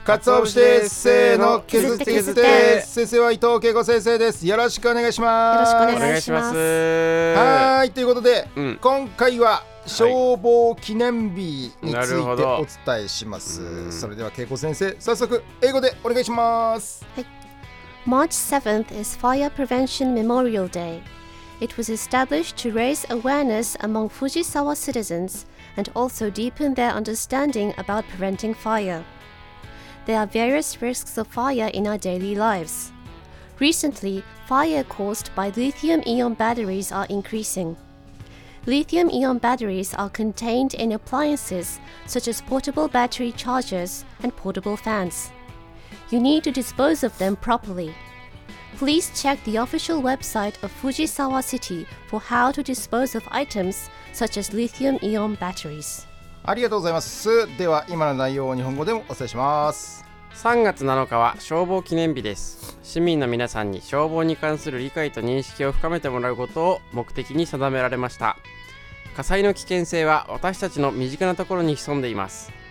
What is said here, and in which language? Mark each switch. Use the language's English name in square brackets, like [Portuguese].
[Japanese] カツオ節です。せーの、削って削って。先生は伊藤恵子先生です。よろしくお願いします。よろしくお願いします。はい、ということで、今回は消防記念日についてお伝えします。それでは恵子先生、早速英語でお願いします。はい。 [English] March 7th is Fire Prevention Memorial Day. It was established to raise awareness among Fujisawa citizens and also deepen their understanding about preventing fire. There are various risks of fire in our daily lives. Recently, fire caused by lithium-ion batteries are increasing. Lithium-ion batteries are contained in appliances such as portable battery chargers and portable fans. You need to dispose of them properly. Please check the official website of Fujisawa City for how to dispose of items such as lithium-ion batteries. [Japanese] ありがとうございます。では今の内容を日本語でもお伝えします。 3月7日は消防記念日です。市民の皆さんに消防に関する理解と認識を深めてもらうことを目的に定められました。火災の危険性は私たちの身近なところに潜んでいます。